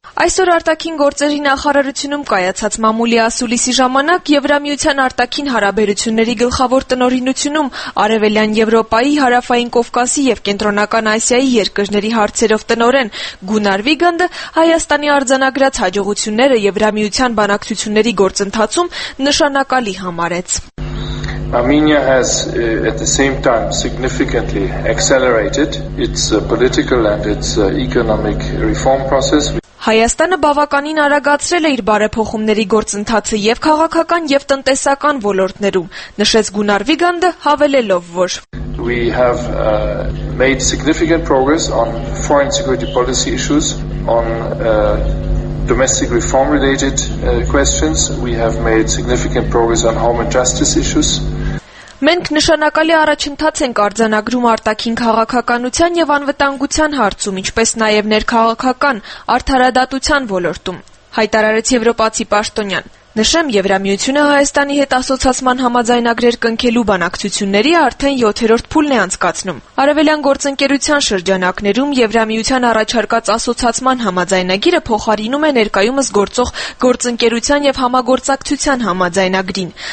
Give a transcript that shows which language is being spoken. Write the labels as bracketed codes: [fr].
[hy] Այսօր արտաքին գործերի նախարարությունում կայացած մամուլի ասուլիսի ժամանակ Եվրամիության արտաքին հարաբերությունների գլխավոր տնօրինությունում Արևելյան Եվրոպայի, Հարավային Կովկասի և Կենտրոնական Ասիայի երկրների հարցերով տնօրեն Գունար Վիգանդը Հայաստանի արձանագրած հաջողությունները Եվրամիության բանակցությունների գործընթացում նշանակալի համարեց։ [en] Armenia has at the same time significantly accelerated its political and its economic reform process. [hy] Հայաստանը բավականին արագացրել է իր բարեփոխումների գործընթացը եւ քաղաքական եւ տնտեսական ոլորտներում, նշեց Գունար Վիգանդը, հավելելով, որ [en] We have made significant progress on foreign security policy issues, on domestic reform related questions. We have made significant progress on home and justice issues. [hy] Մենք նշանակալի առաջընթաց ենք արձանագրում արտաքին քաղաքականության եւ անվտանգության հարցում, ինչպես նաեւ ներքաղաքական արդարադատության ոլորտում, հայտարարեց Եվրոպացի պաշտոնյան։ Նշեմ, Եվրամիությունը Հայաստանի հետ ասոցացման համաձայնագրեր կնքելու բանակցությունների արդեն 7-րդ փուլն է անցկացնում։ Արևելյան գործընկերության շրջանակներում Եվրամիության առաջարկած ասոցացման համաձայնագիրը փոխարինում է ներկայումս գործող գործընկերության և համագործակցության համաձայնագրին։